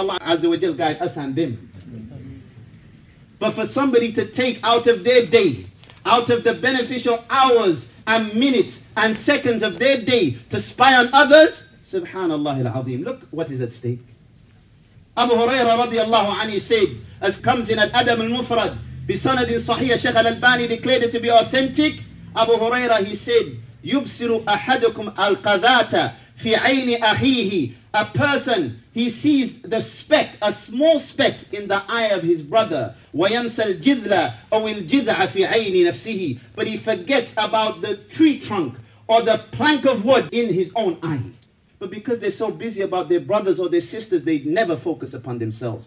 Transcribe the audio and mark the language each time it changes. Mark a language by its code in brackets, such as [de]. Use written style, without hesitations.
[en] Allah Azza wa Jalla guide us and them. But for somebody to take out of their day, out of the beneficial hours and minutes and seconds of their day to spy on others, subhanallah al-azim, look what is at stake. Abu Huraira radiallahu anhi said, as comes in al-Adab al-Mufrad, bisanadin sahih, Shaykh al-Albani declared it to be authentic. [ar] Abu Huraira, [en] he said, [ar] يُبْصِرُ أَحَدُكُمْ الْقَذَاتَ فِي عَيْنِ أَخِيهِ. [en] A person, he sees the speck, a small speck in the eye of his brother. [ar] وَيَنْسَ الْجِذْلَ أَوْ الْجِذْعَ فِي عَيْنِ نَفْسِهِ. [en] But he forgets about the tree trunk or the plank of wood in his own eye. But because they're so busy about their brothers or their sisters, they never focus upon themselves.